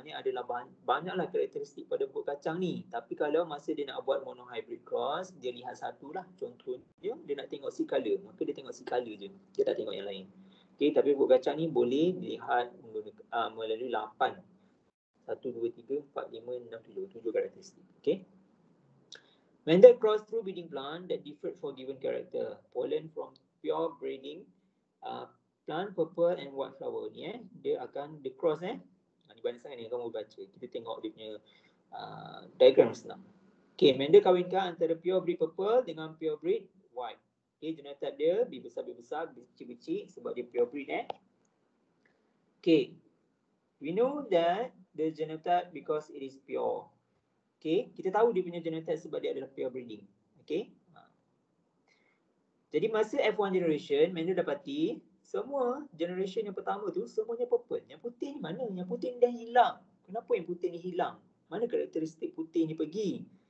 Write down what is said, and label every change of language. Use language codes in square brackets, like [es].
[ms] Ni adalah banyaklah karakteristik pada pokok kacang ni. Tapi kalau masa dia nak buat mono hybrid cross, dia lihat satu lah. Contohnya dia nak tengok seed color. Maka dia tengok seed color je. Dia tak tengok yang lain. Okay, tapi pokok kacang ni boleh dilihat melalui 8. 1, 2, 3, 4, 5, 6, 7, 7 karakteristik. Okay. [en] Mendel cross through breeding plant that differed for given character. Pollen from pure breeding plant purple and white flower [ms] ni eh. Dia akan, dia cross eh. Ini banyak sangat ni, kamu baca. Kita tengok dia punya diagram senang. Okay, Mendel kawinkan antara pure breed purple dengan pure breed white. Okay, genotype dia besar-besar, becik-becik sebab dia pure breed eh. [en] Okay. We know that the genotype because it is pure. [ms] Okay, kita tahu dia punya genotype sebab dia adalah pure breeding. Okay. Jadi masa F1 generation, Mendel dapati semua generation yang pertama tu semuanya purple. Yang putih ni mana? Yang putih ni dah hilang. Kenapa yang putih ni hilang? Mana karakteristik putih ni pergi?